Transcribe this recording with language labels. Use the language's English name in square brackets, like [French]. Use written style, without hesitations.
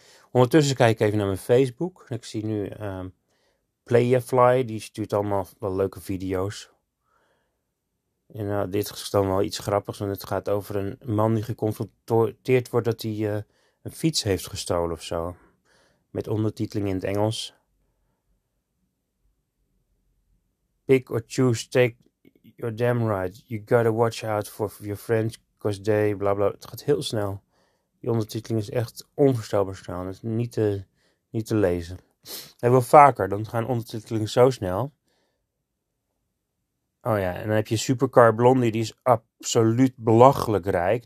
[Dutch] Ondertussen kijk ik even naar mijn Facebook. Ik zie nu Playafly, die stuurt allemaal wel leuke video's. En dit is dan wel iets grappigs, want het gaat over een man die geconfronteerd wordt dat hij een fiets heeft gestolen of zo. Met ondertiteling in het Engels. [English] Pick or choose, take your damn ride. You gotta watch out for your friends, cause they bla bla. [Dutch] Het gaat heel snel. Die ondertiteling is echt onvoorstelbaar snel. Het is niet te lezen. Hij wil vaker, dan gaan ondertitelingen zo snel. Oh ja, en dan heb je Supercar Blondie, die is absoluut belachelijk rijk.